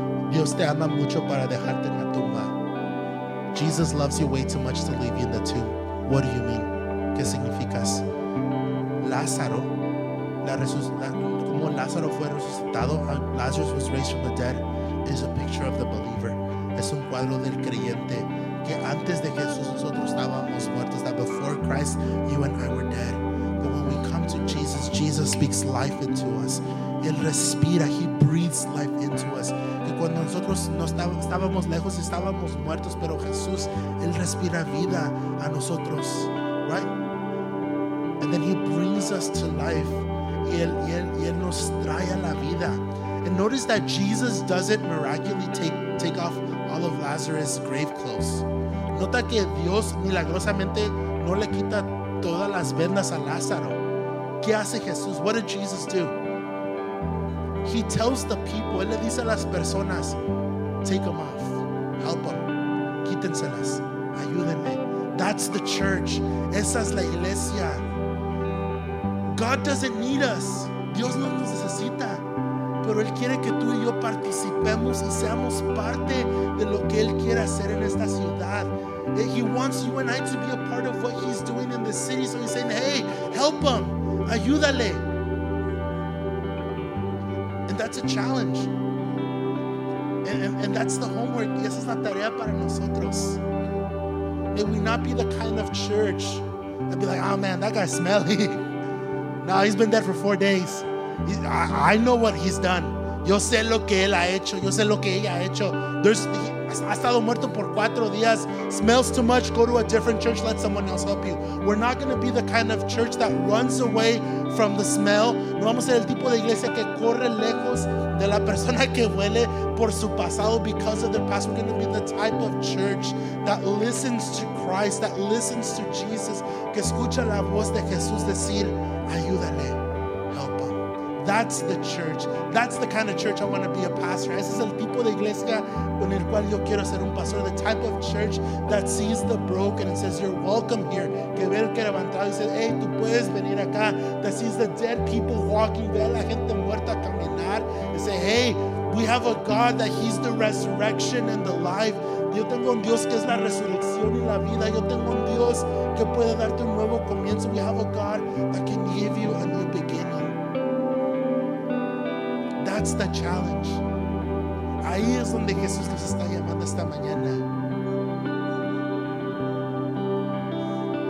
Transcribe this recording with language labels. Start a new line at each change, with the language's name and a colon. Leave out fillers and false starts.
Spanish: Dios te ama mucho para dejarte en la tumba.
English: Jesus loves you way too much to leave you in the tomb. What do you mean?
Spanish: ¿Qué significas? Lázaro, como Lázaro fue resucitado,
English: Lazarus was raised from the dead, is a picture of the believer.
Spanish: Es un cuadro del creyente que antes de Jesús nosotros estábamos muertos.
English: That before Christ, you and I were dead. But when we come to Jesus, Jesus speaks life into us.
Spanish: Él respira,
English: he breathes life into us.
Spanish: Que cuando nosotros no estábamos lejos, estábamos muertos, pero Jesús, Él respira vida a nosotros, right?
English: And then he brings us to life.
Spanish: Y él nos trae a la vida.
English: And notice that Jesus doesn't miraculously take off all of Lazarus' grave clothes.
Spanish: Nota que Dios milagrosamente no le quita todas las vendas a Lázaro. ¿Qué hace Jesús?
English: What did Jesus do? He tells the people,
Spanish: él le dice a las personas,
English: take them off, help them,
Spanish: quítenselas, ayúdenme.
English: That's the church.
Spanish: Esa es la iglesia.
English: God doesn't need us.
Spanish: Dios no nos necesita. Pero él quiere que tú y yo participemos y seamos parte de lo que él quiere hacer en esta ciudad.
English: He wants you and I to be a part of what he's doing in the city. So he's saying, hey, help them,
Spanish: ayúdale.
English: That's a challenge. And that's the homework.
Spanish: Y esa es la tarea para nosotros.
English: May we not be the kind of church that be like, oh man, that guy's smelly. No, he's been dead for 4 days. I know what he's done.
Spanish: Yo sé lo que él ha hecho. Yo sé lo que ella ha hecho. Ha estado muerto por 4 días.
English: Smells too much. Go to a different church. Let someone else help you. We're not going to be the kind of church that runs away from the smell.
Spanish: No vamos a ser el tipo de iglesia que corre lejos de la persona que huele por su pasado
English: because of their past. We're going to be the type of church that listens to Christ, that listens to Jesus,
Spanish: que escucha la voz de Jesús decir, ayúdale.
English: That's the church. That's the kind of church I want to be a pastor.
Spanish: Ese es el tipo de iglesia con el cual yo quiero ser un pastor.
English: The type of church that sees the broken and says, you're welcome here.
Spanish: Que ve el que levantado y dice, hey, tú puedes venir acá.
English: That sees the dead people walking.
Spanish: Ve a la gente muerta caminar. Y dice,
English: hey, we have a God that he's the resurrection and the life.
Spanish: Yo tengo un Dios que es la resurrección y la vida. Yo tengo un Dios que puede darte un nuevo comienzo.
English: We have a God that can give you a new beginning. That's the challenge.
Spanish: Ahí es donde Jesús nos está llamando esta mañana.